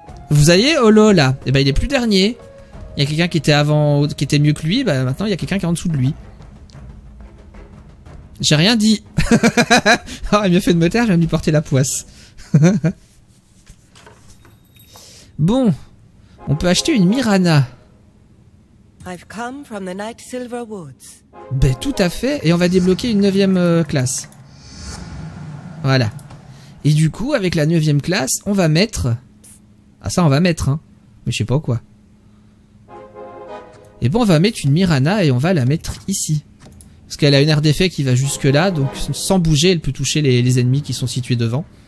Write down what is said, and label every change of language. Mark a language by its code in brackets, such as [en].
[fr] Vous avez Holo là. Eh ben, il est plus dernier. Il y a quelqu'un qui était avant, qui était mieux que lui. Ben, maintenant, il y a quelqu'un qui est en dessous de lui. J'ai rien dit. Oh, il m'a fait de me taire, j'ai même dû porter la poisse. Bon, on peut acheter une Myrana. [en] I've come from the Night Silver Woods. [fr] Ben tout à fait, et on va débloquer une 9ème classe. Voilà. Et du coup, avec la 9ème classe, on va mettre... Ah ça, on va mettre, hein. Mais je sais pas quoi. Et bon, on va mettre une Mirana et on va la mettre ici. Parce qu'elle a une aire d'effet qui va jusque là, donc sans bouger, elle peut toucher les ennemis qui sont situés devant.